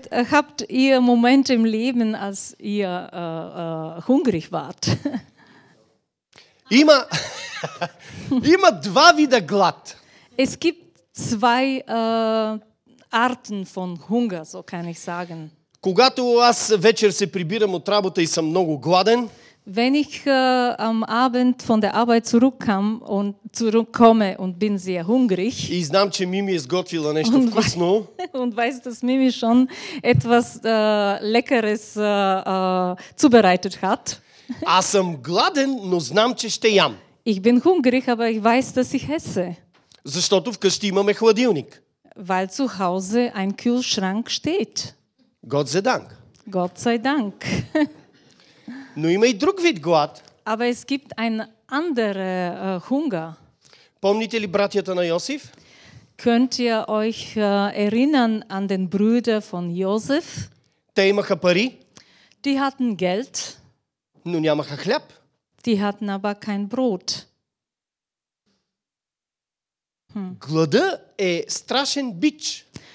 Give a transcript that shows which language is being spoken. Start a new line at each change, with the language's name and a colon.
German: Habt ihr Momente im Leben, als ihr hungrig wart?
Bulgarian: Има два вида глад.
German: Es gibt zwei Arten von Hunger, so kann ich sagen.
Bulgarian: Когато аз вечер се прибирам от работа и съм много гладен,
German: wenn ich am Abend von der Arbeit zurückkomme und bin sehr hungrig.
Bulgarian: И знам, че Мими е сготвила нещо вкусно.
German: Und weiß, dass Mimi schon etwas Leckeres zubereitet hat.
Bulgarian: Аз съм гладен, но знам, че ще ям.
German: Ich bin hungrig, aber ich weiß, dass ich esse.
Bulgarian: Защото вкъщи имаме хладилник.
German: Weil zu Hause ein Kühlschrank steht. Gott sei Dank.
Bulgarian: Но има и друг вид глад.
German: Aber es gibt ein anderer Hunger.
Bulgarian: Помните ли братята на Йосиф?
German: Könnt ihr euch erinnern an den Brüder von Josef?
Bulgarian: Те имаха пари.
German: Die hatten Geld.
Bulgarian: Но нямаха хляб.
German: Die hatten aber kein Brot.
Bulgarian: Глада е страшен бич.